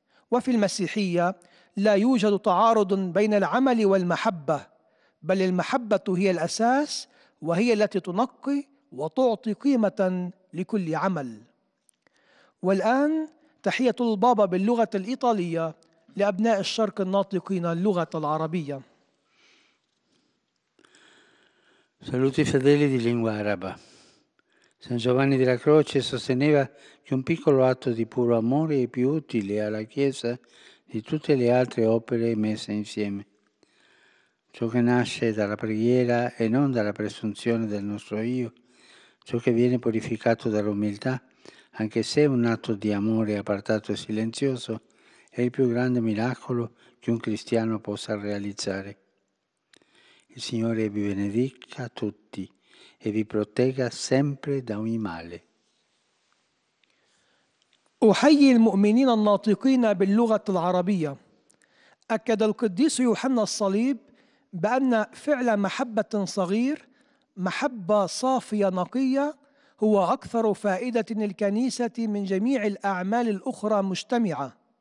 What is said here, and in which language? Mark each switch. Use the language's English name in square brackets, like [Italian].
[Arabic] وفي المسيحية لا يوجد تعارض بين العمل والمحبة، بل المحبة هي الأساس، وهي التي تنقي وتعطي قيمة لكل عمل. والآن تحية البابا باللغة الإيطالية لأبناء الشرق الناطقين اللغة العربية. [Italian] Saluti fedeli di lingua araba. San Giovanni della Croce sosteneva che un piccolo atto di puro amore è più utile alla Chiesa di tutte le altre opere messe insieme. Ciò che nasce dalla preghiera e non dalla presunzione del nostro io, ciò che viene purificato dall'umiltà, anche se un atto di amore appartato e silenzioso, è il più grande miracolo che un cristiano possa realizzare. Il Signore vi benedica tutti e vi protegga sempre da ogni male. [Arabic] أحيي المؤمنين الناطقين باللغة العربية. أكد القديس يوحنا الصليب بأن فعل محبة صغير، محبة صافية نقية، هو أكثر فائدة للكنيسة من جميع الأعمال الأخرى مجتمعة.